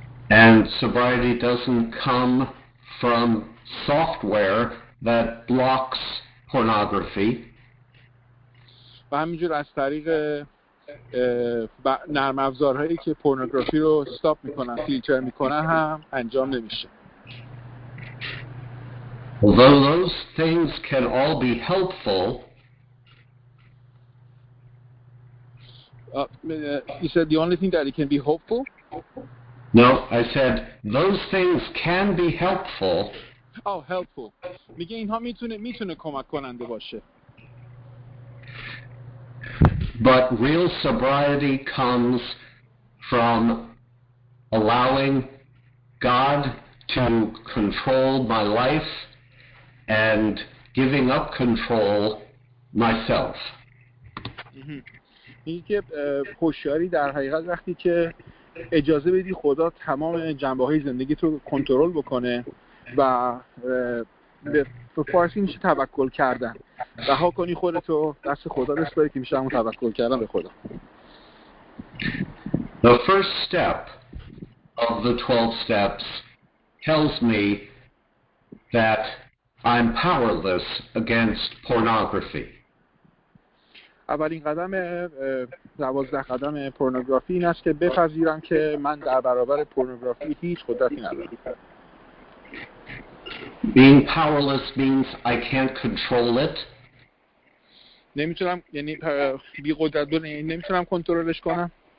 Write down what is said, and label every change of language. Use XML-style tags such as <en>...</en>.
<en>And sobriety doesn't come from software that blocks pornography.</en> <fa>و همینجور از طریق نرم افزارهایی که پورنوگرافی رو استاپ میکنن فیلتر میکنن هم انجام نمیشه.</fa> <en>Although those things can all be helpful. You said the only thing that it can be helpful? No, I said those things can be helpful. Oh, helpful.</en> <fa>میگه اینها میتونه کمک کننده باشه.</fa> <en>But real sobriety comes from allowing God to control my life and giving up control myself.</en> <fa>میگه که هوشیاری در حقیقت وقتی که اجازه بدی خدا تمام جنبه‌های زندگی تو کنترل بکنه و به فارسی میشه توکل کردن، رها کنی خودتو دست خدا بسپاری که میشه همون توکل کردن به خدا.</fa> <en>The first step of the 12 steps tells me that I'm powerless against pornography.</en> <fa>اولین قدم 12 قدم پورنوگرافی این است که بپذیرم که من در برابر پورنوگرافی هیچ قدرتی ندارم.</fa> <en>Being powerless means I can't control it.</en> <fa>نمیتونم، یعنی بی قدرت بودن نمیتونم کنترلش کنم.</fa>